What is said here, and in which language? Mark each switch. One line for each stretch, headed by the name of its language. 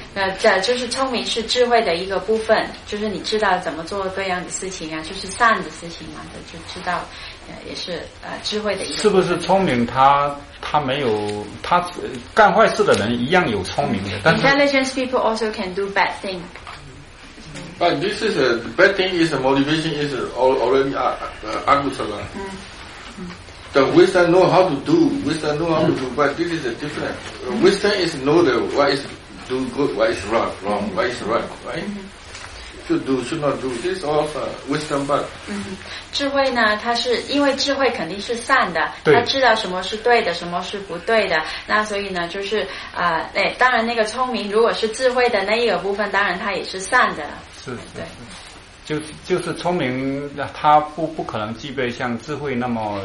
Chinese: 那这就是聪明是智慧的一个部分，就是你知道怎么做各样的事情啊，就是善的事情嘛，就知道。也是智慧的一个。是不是聪明他没有，他干坏事的人一样有聪明的，但是
English: intelligence people also can do bad thing. But this is the bad thing is the motivation is already akusala. The wisdom know how to do, wisdom know how to do, but this is a different. Wisdom is know the what is do good, what is wrong, what is right, right? Should do, should not do. This all wisdom, but
Chinese: 智慧呢？它是因为智慧肯定是善的，他知道什么是对的，什么是不对的。那所以呢，就是当然那个聪明，如果是智慧的那一个部分，当然它也是善的。是，对，就是聪明，它不可能具备像智慧那么。